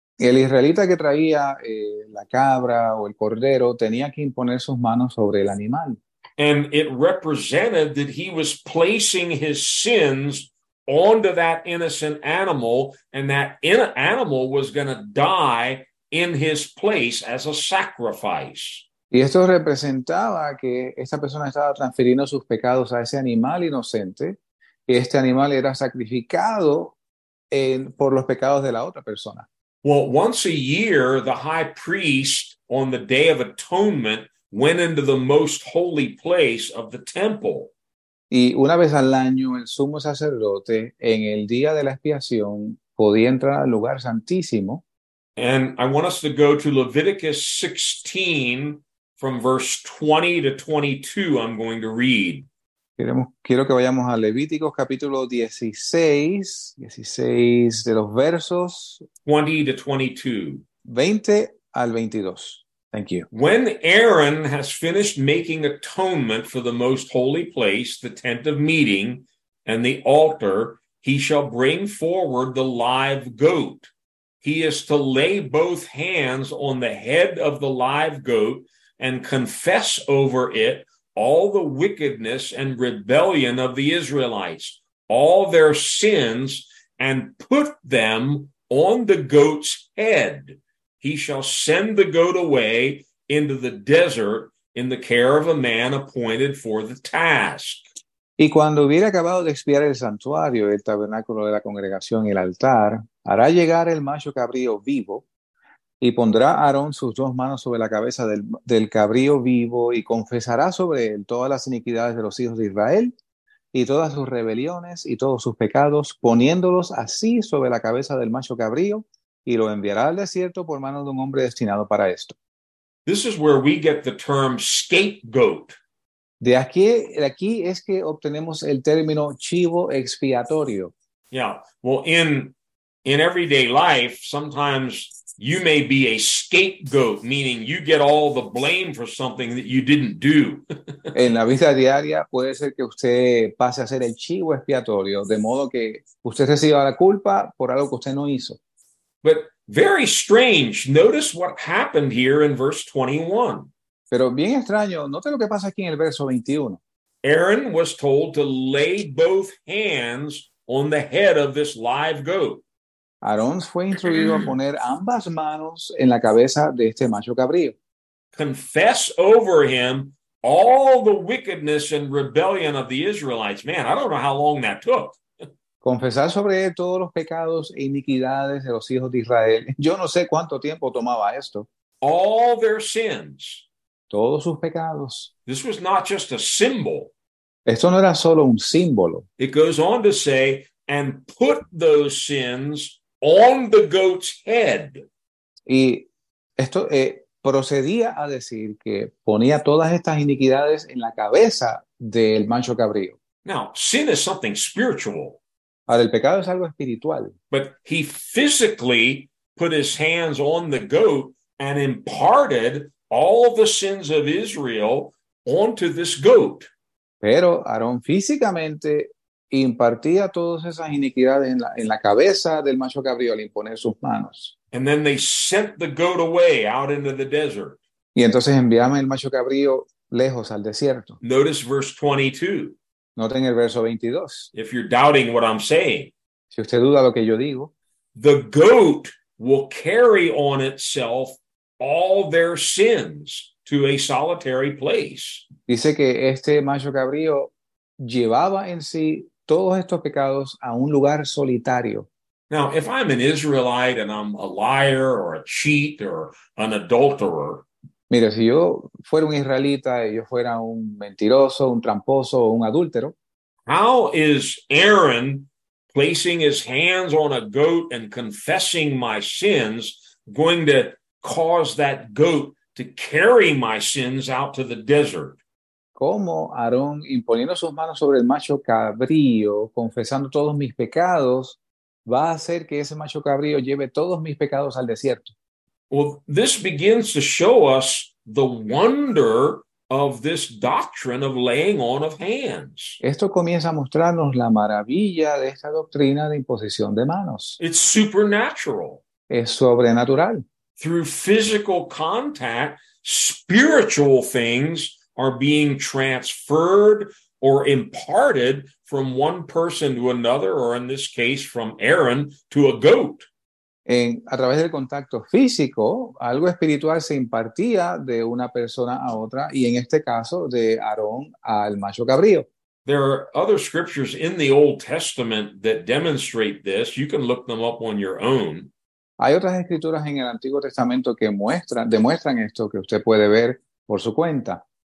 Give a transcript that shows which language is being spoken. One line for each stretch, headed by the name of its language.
Spanish: El israelita que traía la cabra o el cordero tenía que imponer sus manos sobre el animal.
English: And it represented that he was placing his sins onto that innocent animal, and that animal was going to die in his place as a sacrifice.
Spanish: Y esto representaba que esta persona estaba transfiriendo sus pecados a ese animal inocente, y este animal era sacrificado por los pecados de la otra persona.
English: Well, once a year, the high priest, on the Day of Atonement, went into the most holy place of the temple.
Spanish: Y una vez al año, el sumo sacerdote, en el día de la expiación, podía entrar al lugar santísimo.
English: And I want us to go to Leviticus 16, from verse 20 to 22, I'm going to read.
Spanish: Quiero que vayamos a Levítico capítulo 16 de los versos
English: 20 to 22.
Spanish: 20 al 22.
English: Thank you. When Aaron has finished making atonement for the most holy place, the tent of meeting, and the altar, he shall bring forward the live goat. He is to lay both hands on the head of the live goat and confess over it all the wickedness and rebellion of the Israelites, all their sins, and put them on the goat's head. He shall send the goat away into the desert in the care of a man appointed for the task.
Spanish: Y cuando hubiera acabado de expiar el santuario, el tabernáculo de la congregación, el altar, hará llegar el macho cabrío vivo, y pondrá Aarón sus dos manos sobre la cabeza del cabrío vivo y confesará sobre él todas las iniquidades de los hijos de Israel y todas sus rebeliones y todos sus pecados, poniéndolos así sobre la cabeza del macho cabrío y lo enviará al desierto por mano de un hombre destinado para esto.
English: This is where we get the term scapegoat.
Spanish: De aquí es que obtenemos el término chivo expiatorio.
English: Yeah, well, in everyday life, sometimes you may be a scapegoat, meaning you get all the blame for something that you didn't do.
Spanish: En la vida diaria puede ser que usted pase a ser el chivo expiatorio, de modo que usted reciba la culpa por algo que usted no hizo.
English: But very strange. Notice what happened here in verse 21.
Spanish: Pero bien extraño. Note lo que pasa aquí en el verso 21.
English: Aaron was told to lay both hands on the head of this live goat.
Spanish: Aarón fue instruido a poner ambas manos en la cabeza de este macho cabrío.
English: Confess over him all the wickedness and rebellion of the Israelites. Man, I don't know how long that took.
Spanish: Confesar sobre él todos los pecados e iniquidades de los hijos de Israel. Yo no sé cuánto tiempo tomaba esto.
English: All their sins.
Spanish: Todos sus pecados.
English: This was not just a symbol.
Spanish: Esto no era solo un símbolo.
English: It goes on to say, and put those sins on the goat's head.
Spanish: Y esto procedía a decir que ponía todas estas iniquidades en la cabeza del macho cabrío.
English: Now, sin is something spiritual.
Spanish: Ahora, el pecado es algo espiritual.
English: But he physically put his hands on the goat and imparted all the sins of Israel onto this goat.
Spanish: Pero Aarón físicamente impartía todas esas iniquidades en la cabeza del macho cabrío al imponer sus manos.
English: And then they sent the goat away out into the desert.
Spanish: Y entonces enviaban el macho cabrío lejos al desierto.
English: Notice verse 22.
Spanish: Noten el verso 22.
English: If you're doubting what I'm saying.
Spanish: Si usted duda lo que yo digo.
English: The goat will carry on itself all their sins to a solitary place.
Spanish: Dice que este macho cabrío llevaba en sí todos estos pecados a un lugar solitario.
English: Now, if I'm an Israelite and I'm a liar or a cheat or an adulterer.
Spanish: Mira, si yo fuera un israelita y yo fuera un mentiroso, un tramposo o un adúltero.
English: How is Aaron placing his hands on a goat and confessing my sins going to cause that goat to carry my sins out to the desert?
Spanish: ¿Cómo Aarón, imponiendo sus manos sobre el macho cabrío, confesando todos mis pecados, va a hacer que ese macho cabrío lleve todos mis pecados al desierto.
English: Well, this begins to show us the wonder of this doctrine of laying on of hands.
Spanish: Esto comienza a mostrarnos la maravilla de esta doctrina de imposición de manos.
English: It's supernatural.
Spanish: Es sobrenatural.
English: Through physical contact, spiritual things are being transferred or imparted from one person to another, or in this case, from Aaron to a goat.
Spanish: En, a través del contacto físico, algo espiritual se impartía de una persona a otra, y en este caso, de Aarón al macho cabrío.
English: There are other scriptures in the Old Testament that demonstrate this. You can look them up on your own.
Spanish: Hay otras escrituras en el Antiguo Testamento que demuestran esto que usted puede ver por su cuenta.